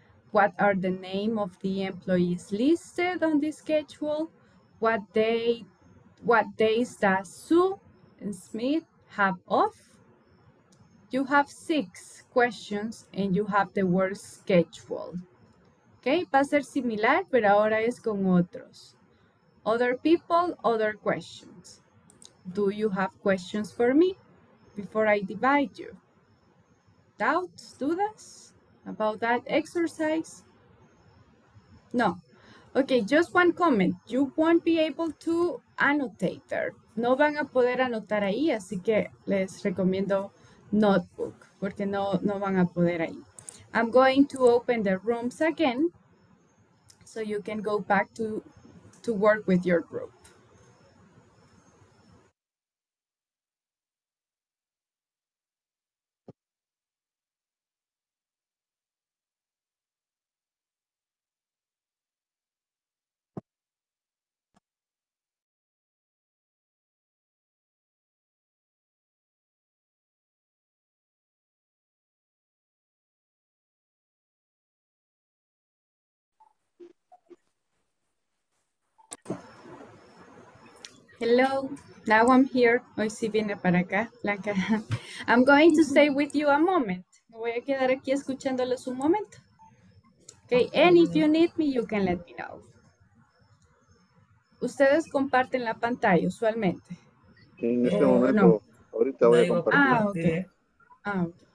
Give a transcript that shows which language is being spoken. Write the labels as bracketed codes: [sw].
[en] What are the name of the employees listed on the schedule? What days does Sue and Smith have off? You have six questions and you have the word schedule. [es] Okay, va a ser similar, pero ahora es con otros. [en] Other people, other questions. Do you have questions for me before I divide you? Doubts, dudas about that exercise? No. Okay, just one comment. You won't be able to annotate there. [es] No van a poder anotar ahí, así que les recomiendo notebook, porque no van a poder ahí. [en] I'm going to open the rooms again, so you can go back to work with your group. Hello, now I'm here. [es] Hoy sí viene para acá, Blanca. [en] I'm going to stay with you a moment. [es] Me voy a quedar aquí escuchándolos un momento. [en] Okay, and if you need me, you can let me know. [es] Ustedes comparten la pantalla usualmente. En este momento, no. Ahorita voy a compartir. Ah, ok. Ah, ok.